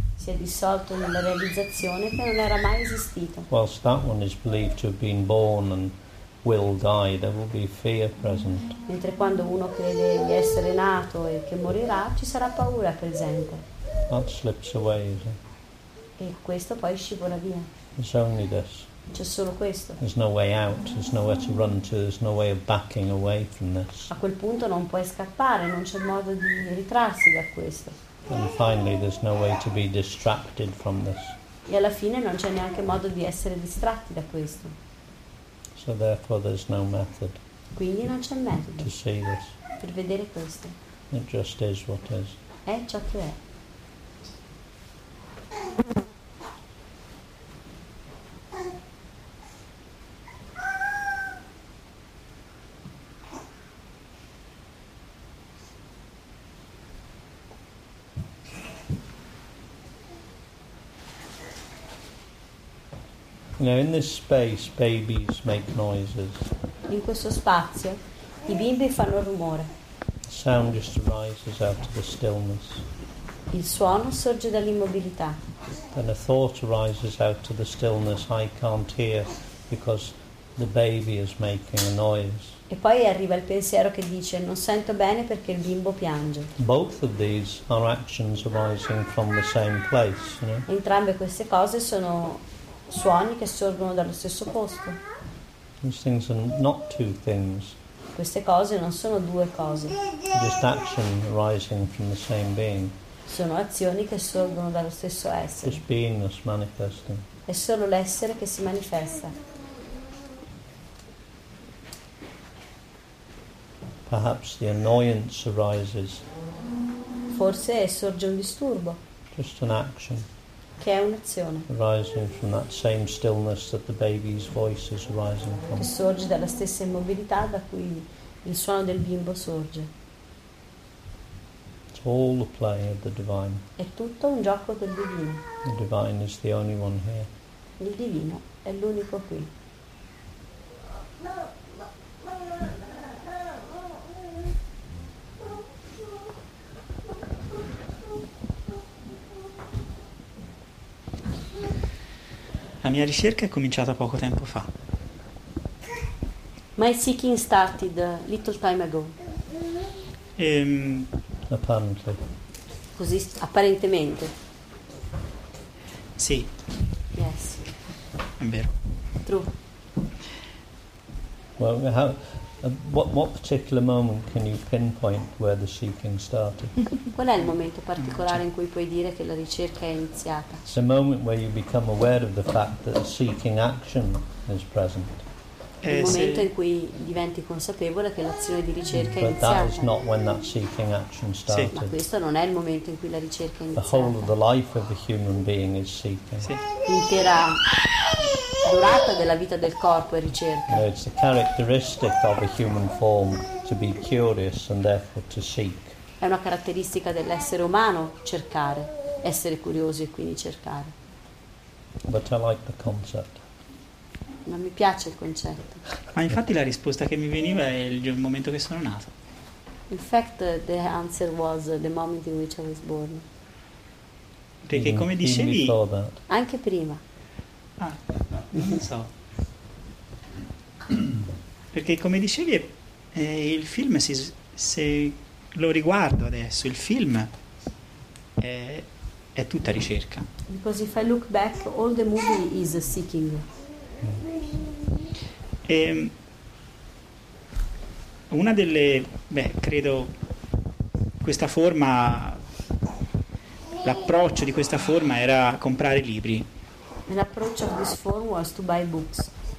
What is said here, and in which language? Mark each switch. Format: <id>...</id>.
<it>Si è dissolto nella realizzazione che non era mai esistito.</it> <en>Whilst that one is believed to have been born and will die, there will be fear present.</en> <it>Mentre quando uno crede di essere nato e che morirà, ci sarà paura presente.</it> <en>That slips away, is it?</en> <it>E questo poi scivola via.</it> <en>It's only this.</en> <it>C'è solo questo.</it> <en>There's no way out, there's nowhere to run to, there's no way of backing away from this.</en> <it>A quel punto non puoi scappare, non c'è modo di ritrarsi da questo.</it> <en>And finally there's no way to be distracted from this.</en> <it>E alla fine non c'è neanche modo di essere distratti da questo.</it> <en>So therefore there's no method.</en> <it>Quindi non c'è metodo.</it> <en>To see this.</en> <it>Per vedere questo.</it> <en>It just is what is.</en> <it>È ciò che è.</it> <en>Now in this space, babies make noises.</en> <it>In questo spazio, I bimbi fanno rumore.</it> <en>The sound just arises out of the stillness.</en> <it>Il suono sorge dall'immobilità.</it> <en>Then a thought arises out of the stillness I can't hear because the baby is making a noise.</en> <it>E poi arriva il pensiero che dice non sento bene perché il bimbo piange.</it> <en>Both of these are actions arising from the same place, you know?</en> <it>Entrambe queste cose sono suoni che sorgono dallo stesso posto.</it> <en>These things are not two things.</en> <it>Queste cose non sono due cose.</it> <en>Just action arising from the same being.</en> <it>Sono azioni che sorgono dallo stesso essere.</it> <en>Just beingness manifesting.</en> <it>È solo l'essere che si manifesta.</it> <en>Perhaps the annoyance arises.</en> <it>Forse sorge un disturbo.</it> <en>Just an action.</en> <it>Che è un'azione.</it> <en>Arising from that same stillness that the baby's voice is arising from.</en> <it>Che sorge dalla stessa immobilità da cui il suono del bimbo sorge.</it> <en>It's all the play of the divine.</en> <it>È tutto un gioco del divino.</it> <en>The divine is the only one here.</en> <it>Il divino è l'unico qui. La mia ricerca è cominciata poco tempo fa.</it> <en>My seeking started a little time ago. Apparently.</en> <it>Così, apparentemente. Sì.</it> <en>Yes.</en> <it>È vero.</it> <en>True. Well, what particular moment can you pinpoint where the seeking started?</en> <it>Qual è il momento particolare in cui puoi dire che la ricerca è iniziata?</it> <en>It's the moment where you become aware of the fact that the seeking action is present.</en> <it>Il momento in cui diventi consapevole che l'azione di ricerca è iniziata.</it> <en>But that is not when that seeking action started.</en> <it>Ma questo non è il momento in cui la ricerca è iniziata.</it> <en>The whole of the life of a human being is seeking.</en> <it>L'intera durata della vita del corpo è ricerca.</it> <en>No, it's a characteristic of a human form to be curious and therefore to seek.</en> <it>È una caratteristica dell'essere umano cercare, essere curioso e quindi cercare.</it> <en>But I like the concept.</en> <it>Ma mi piace il concetto. Ma infatti la risposta che mi veniva è il momento che sono nato.</it> <en>In fact, the answer was the moment in which I was born.</en> <it>Perché come dicevi, anche prima. Ah, non so. Perché come dicevi, il film, se lo riguardo adesso, il film è tutta ricerca.</it> <en>Because if I look back, all the movie is seeking.</en> <it>E una delle, credo questa forma, l'approccio di questa forma era comprare libri. L'approccio di questa forma era</it> <en>to buy books.</en>